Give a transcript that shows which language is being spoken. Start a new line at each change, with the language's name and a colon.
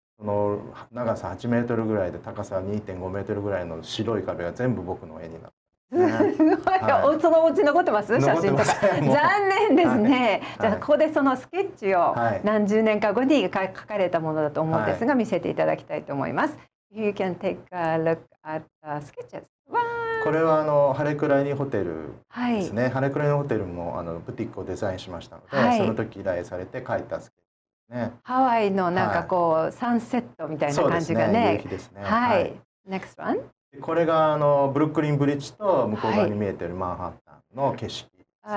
Japanese: その長さ8メートルぐらいで高さ 2.5 メートルぐらいの白い壁が全部僕の絵になった。ね、すごい、はい、そのお家残ってます、写真とか。残念ですね、はい、じゃあここでそのスケッチを何十年か後に描かれたものだと思うんですが、見せていただきたいと思います。
English: You can take a look at the sketches。
Japanese: これはハレクライニホテルですね、はい、ハレクライニホテルもブティックをデザインしましたので、はい、その時依頼されて描いたスケッチですね。ハワイのなんかこう、はい、サンセットみたいな感じがね。そうですね、夕日ですね、
English: はい、Next one。
Japanese: これがブルックリンブリッジと向こう側に見えているマンハッタンの景色ですね。